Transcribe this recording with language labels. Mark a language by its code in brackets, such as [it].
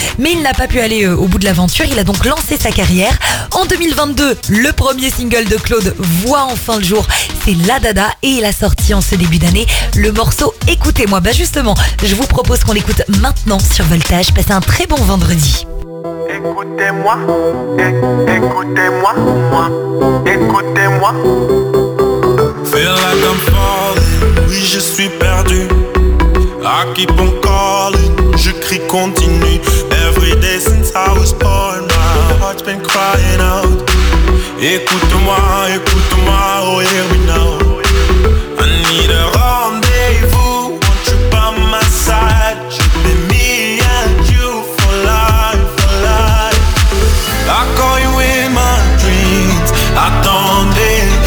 [fr] Mais il n'a pas pu aller au bout de l'aventure. Il a donc lancé sa carrière. En 2022, le premier single de Claude voit enfin le jour, c'est La Dada, et il a sorti en ce début d'année le morceau Écoutez-moi. Bah justement, je vous propose qu'on l'écoute maintenant sur Voltage. Passez un très bon vendredi. Écoutez-moi, écoutez-moi, moi, écoutez-moi. [en] Feel like I'm falling, [fr] oui je suis perdu. [en] I keep on calling, [fr] je crie continue. [en] Every day since I was born, my heart's been crying out. [fr] Écoute-moi, écoute-moi, [en] oh yeah we know. I need a rendez-vous, won't you by my side? Should be me and you for life, for life. I call you in my dreams, attendez.